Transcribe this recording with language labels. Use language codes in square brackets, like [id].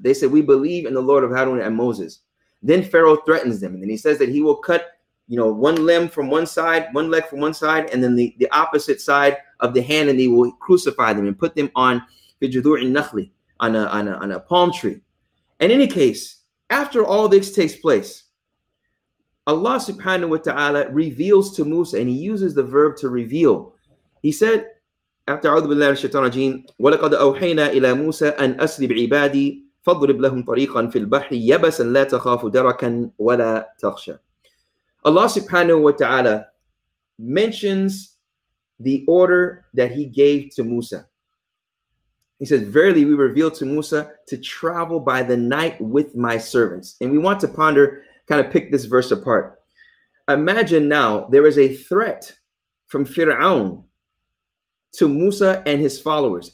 [en] They said, we believe in the Lord of Harun and Moses. Then Pharaoh threatens them, and then he says that he will cut, you know, one limb from one side, one leg from one side, and then the opposite side of the hand, and he will crucify them and put them on [ar] بِجُذُوعِ النَّخْلِ, [en] on a palm tree. In any case, after all this takes place, Allah subhanahu wa ta'ala reveals to Musa, and he uses the verb to reveal. He said, after [ar] أعوذ بالله من الشيطان الرجيم, وَلَقَدْ أَوْحَيْنَا إِلَى مُوسَى أَنْ أَسْرِ بِعِبَادِي فَضْرِبْ لَهُمْ طَرِيقًا فِي الْبَحْرِ يَبَسًا لَا تَخَافُ دَرَكًا وَلَا تَخْشَى. [en] Allah subhanahu wa ta'ala mentions the order that he gave to Musa. He says, verily we revealed to Musa to travel by the night with my servants. And we want to ponder, kind of pick this verse apart. Imagine now there is a threat from Fir'aun to Musa and his followers.